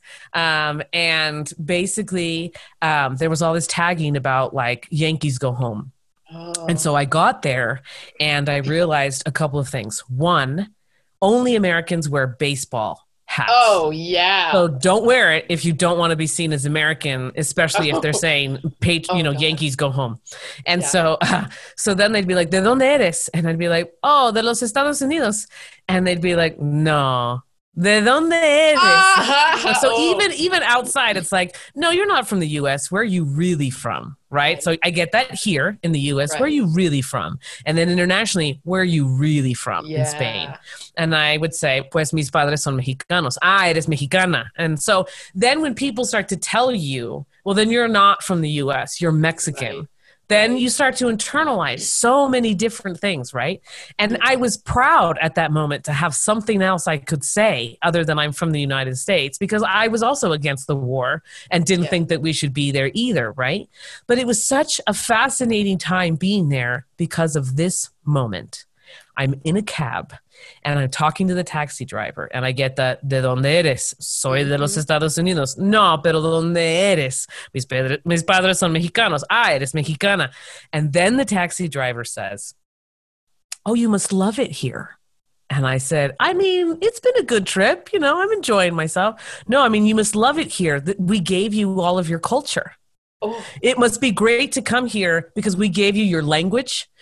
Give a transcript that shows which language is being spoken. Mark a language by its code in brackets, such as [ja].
[en] And basically, there was all this tagging about like Yankees go home. Oh. And so I got there and I realized a couple of things. One, only Americans wear baseball hats. Oh, yeah. So don't wear it if you don't want to be seen as American, especially if they're saying, Yankees go home. And so then they'd be like, [es] ¿de dónde eres? [en] And I'd be like, [es] oh, de los Estados Unidos. [en] And they'd be like, no. [es] ¿De dónde eres? [en] So even outside, it's like, no, you're not from the U.S. Where are you really from? Right? So I get that here in the U.S. Right. Where are you really from? And then internationally, where are you really from in Spain? And I would say, [es] pues mis padres son mexicanos. Ah, eres mexicana. [en] And so then when people start to tell you, well, then you're not from the U.S., you're Mexican. Right. Then you start to internalize so many different things, right? And I was proud at that moment to have something else I could say other than I'm from the United States, because I was also against the war and didn't think that we should be there either, right? But it was such a fascinating time being there because of this moment. I'm in a cab and I'm talking to the taxi driver and I get that, [es] ¿de dónde eres? Soy de los Estados Unidos. No, pero ¿de dónde eres? Mis padres son mexicanos. Ah, eres mexicana. [en] And then the taxi driver says, oh, you must love it here. And I said, I mean, it's been a good trip. You know, I'm enjoying myself. No, I mean, you must love it here. We gave you all of your culture. Oh. It must be great to come here because we gave you your language.